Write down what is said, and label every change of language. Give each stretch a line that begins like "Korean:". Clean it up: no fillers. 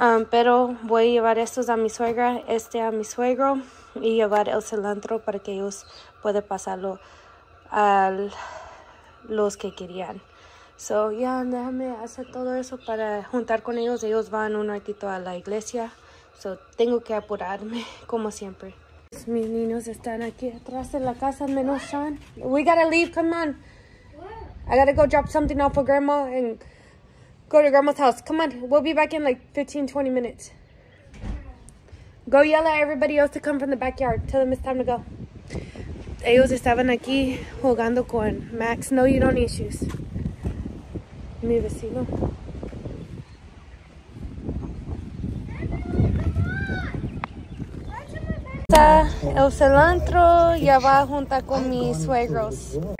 Spanish: Pero voy a llevar estos a mi suegra, a mi suegro, y llevar el cilantro para que ellos puedan pasarlo a los que querían. So, ya, déjame hacer todo eso para juntar con ellos. Ellos van un ratito a la iglesia. So, tengo que apurarme, como siempre. Mis niños están aquí atrás de la casa, menos Sean.
English: We gotta leave, come on. I gotta go drop something off for grandma and go to grandma's house. Come on, we'll be back in like 15, 20 minutes. Go yell at everybody else to come from the backyard. Tell them it's time to go.
Spanish: Ellos estaban aquí jugando con Max.
English: No, you don't need shoes.
Spanish: Mi vecino. Está el cilantro, ya va junto con mis suegros.